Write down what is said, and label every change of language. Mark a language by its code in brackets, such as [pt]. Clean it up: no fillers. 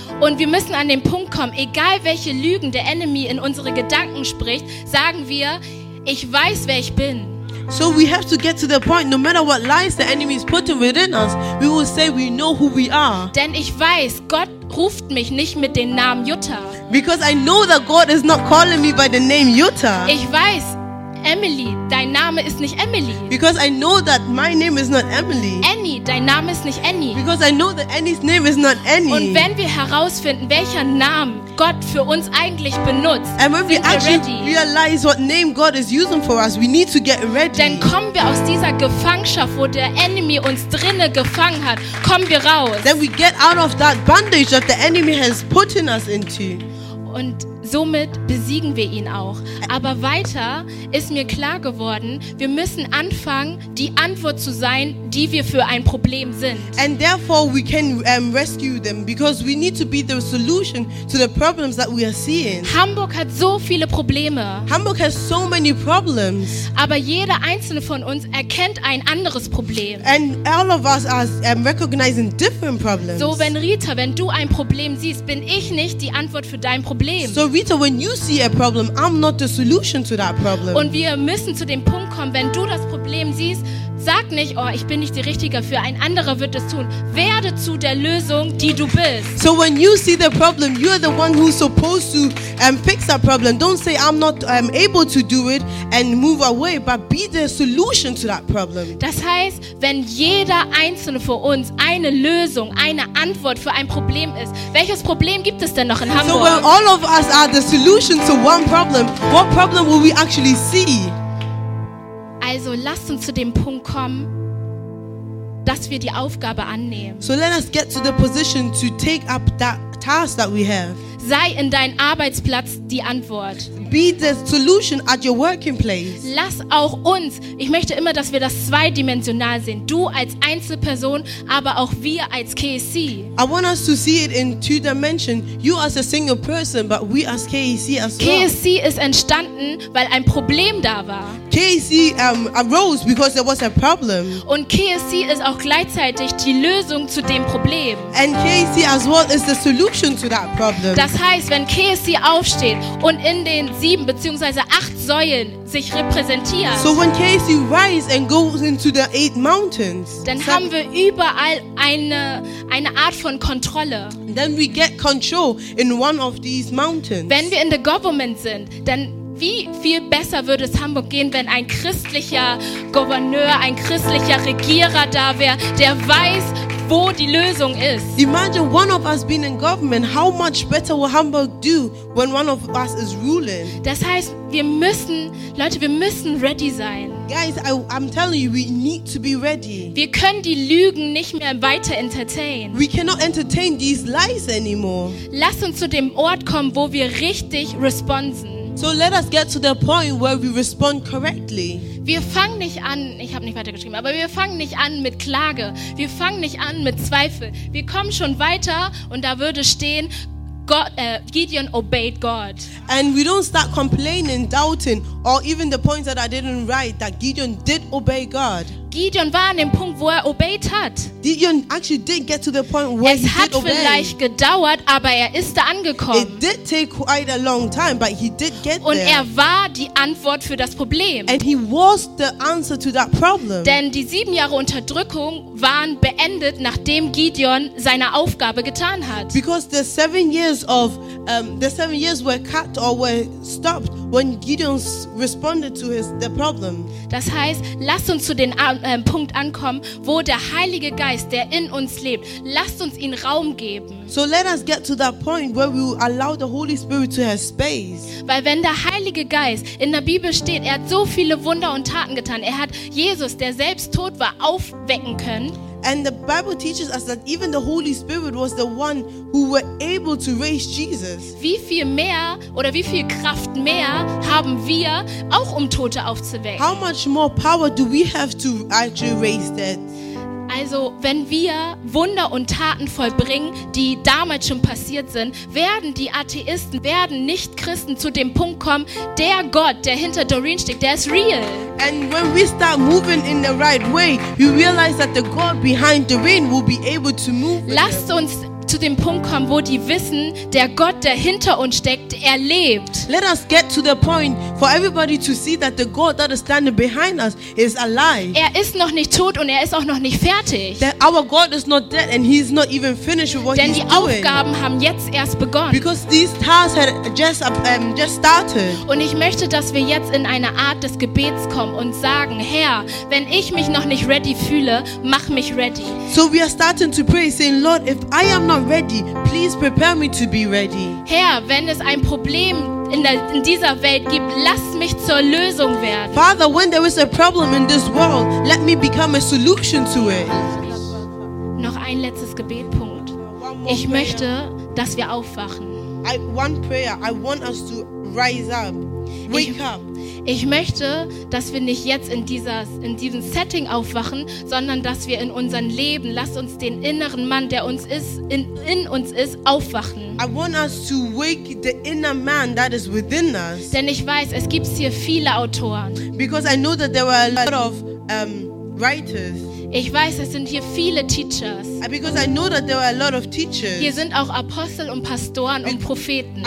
[de] Und wir müssen an den Punkt kommen, egal welche Lügen der Enemy in unsere Gedanken spricht, sagen wir, ich weiß, wer ich bin. [en] So we have to get to the point, no matter what lies the enemy is putting within us, we will say we know who we are. [de] Denn ich weiß, Gott ruft mich nicht mit dem Namen Jutta. [en] Because I know that God is not calling me by the name Jutta. [de] Ich weiß, Emily, dein Name ist nicht Emily. [en] Because I know that my name is not Emily. [de] Annie, dein Name ist nicht Annie. [en] Because I know that Annie's name is not Annie. [de] Und wenn wir herausfinden, welcher Name Gott für uns eigentlich benutzt, [en] and when we actually realize what name God is using for us, we need to get ready. [de] Dann kommen wir aus dieser Gefangenschaft, wo der Enemy uns drinne gefangen hat, kommen wir raus. [en] Then we get out of that bondage that the enemy has put in us into. [de] Und somit besiegen wir ihn auch. Aber weiter ist mir klar geworden, wir müssen anfangen, die Antwort zu sein, die wir für ein Problem sind. [en] And therefore we can rescue them, because we need to be the solution to the problems that we are seeing. [de] Hamburg hat so viele Probleme. [en] Hamburg has so many problems. [de] Aber jeder einzelne von uns erkennt ein anderes Problem. [en] And all of us are recognizing different problems. [de] So wenn Rita, wenn du ein Problem siehst, bin ich nicht die Antwort für dein Problem. [en] So Rita, when you see a problem, I'm not the solution to that problem. [de] Und wir müssen zu dem Punkt kommen, wenn du das Problem siehst, sag nicht, oh, ich bin nicht die Richtige für, ein anderer wird es tun. Werde zu der Lösung, die du bist. [en] So when you see the problem, you are the one who's supposed to fix that problem. Don't say, I'm not able to do it and move away, but be the solution to that problem. [de] Das heißt, wenn jeder Einzelne von uns eine Lösung, eine Antwort für ein Problem ist, welches Problem gibt es denn noch in Hamburg? [en] So when all of us are the solution to one problem, what problem will we actually see? [de] Also lasst uns zu dem Punkt kommen, dass wir die Aufgabe annehmen. [en] So let us get to the position to take up that task that we have. [de] Sei in deinem Arbeitsplatz die Antwort. [en] Be the solution at your working place. [de] Lass auch uns, ich möchte immer, dass wir das zweidimensional sehen. Du als Einzelperson, aber auch wir als KEC. [en] I want us to see it in two dimensions. You as a single person, but we as KEC as well. [de] KEC ist entstanden, weil ein Problem da war. [en] KEC arose because there was a problem. [de] Und KEC ist auch gleichzeitig die Lösung zu dem Problem. [en] And KEC as well is the solution to that problem. [de] Das heißt, wenn KEC aufsteht und in den 7 beziehungsweise 8 Säulen sich repräsentiert. [en] So when KEC rise and goes into the 8 mountains. [de] Dann haben wir überall eine Art von Kontrolle. [en] Then we get control in one of these mountains. [de] Wenn wir [en] in the government [de] sind, dann wie viel besser würde es Hamburg gehen, wenn ein christlicher Gouverneur, ein christlicher Regierer da wäre, der weiß, wo die Lösung ist. [en] Imagine one of us being in government, how much better will Hamburg do when one of us is ruling? [de] Das heißt, wir müssen, Leute, wir müssen ready sein. [en] Guys, I'm telling you, we need to be ready. [de] Wir können die Lügen nicht mehr weiter entertain. [en] We cannot entertain these lies anymore. [de] Lass uns zu dem Ort kommen, wo wir richtig responsen. [en] So let us get to the point where we respond correctly. [de] Wir fangen nicht an, ich habe nicht weitergeschrieben, aber wir fangen nicht an mit Klage. Wir fangen nicht an mit Zweifel. Wir kommen schon weiter und da würde stehen, [en] Gideon obeyed God. And we don't start complaining, doubting, or even the points that I didn't write, that Gideon did obey God. [de] Gideon war an dem Punkt, wo er obeyed hat. [en] Gideon actually did get to the point where es he did obey. [de] Es hat vielleicht gedauert, aber er ist da angekommen. [en] It did take quite a long time, but he did get [de] und [en] there. [de] Und er war die Antwort für das Problem. [en] And he was the answer to that problem. [de] Denn die 7 Jahre Unterdrückung waren beendet, nachdem Gideon seine Aufgabe getan hat. [en] Because the 7 years of the 7 years were cut or were stopped when Gideon responded to the problem. [de] Das heißt, lasst uns zu den Punkt ankommen, wo der Heilige Geist, der in uns lebt, lasst uns ihn Raum geben. [en] So let us get to that point where we allow the Holy Spirit to have space. [de] Weil wenn der Heilige Geist in der Bibel steht, er hat so viele Wunder und Taten getan. Er hat Jesus, der selbst tot war, aufwecken können. [en] And the Bible teaches us that even the Holy Spirit was the one who were able to raise Jesus. [de] Wie viel mehr oder wie viel Kraft mehr haben wir auch um Tote aufzuwecken? [en] How much more power do we have to actually raise dead? [de] Also, wenn wir Wunder und Taten vollbringen, die damals schon passiert sind, werden die Atheisten, werden Nicht-Christen zu dem Punkt kommen, der Gott, der hinter Doreen steckt, der ist real. [en] And when we start moving in the right way, you realize that the God behind Doreen will be able to move. [de] Lasst uns zu dem Punkt kommen, wo die wissen, der Gott, der hinter uns steckt, er lebt. [en] Let us get to the point for everybody to see that the God that is standing behind us is alive. [de] Er ist noch nicht tot und er ist auch noch nicht fertig. [en] That our God is not dead and he's not even finished with what [de] denn [en] he's doing. [de] Denn die Aufgaben haben jetzt erst begonnen. [en] Because these tasks had just started. [de] Und ich möchte, dass wir jetzt in eine Art des Gebets kommen und sagen, Herr, wenn ich mich noch nicht ready fühle, mach mich ready. [en] So we are starting to pray, saying, Lord, if I am not ready, please prepare me to be ready. [de] Herr, wenn es ein Problem in dieser Welt gibt, lass mich zur Lösung werden. [en] Father, when there is a problem in this world, let me become a solution to it. [de] Noch ein letztes Gebetpunkt. Ich möchte, dass wir aufwachen. [en] One prayer. I want us to rise up. Wake up. [de] Ich möchte, dass wir nicht jetzt in diesem Setting aufwachen, sondern dass wir in unserem Leben, lass uns den inneren Mann, der uns ist, in uns ist, aufwachen. [en] I want us to wake the inner man that is within us. [de] Denn ich weiß, es gibt hier viele Autoren. [en] Because I know that there were a lot of writers. [de] Ich weiß, es sind hier viele Teachers. [en] Because I know that there were a lot of teachers. [de] Hier sind auch Apostel und Pastoren und Propheten.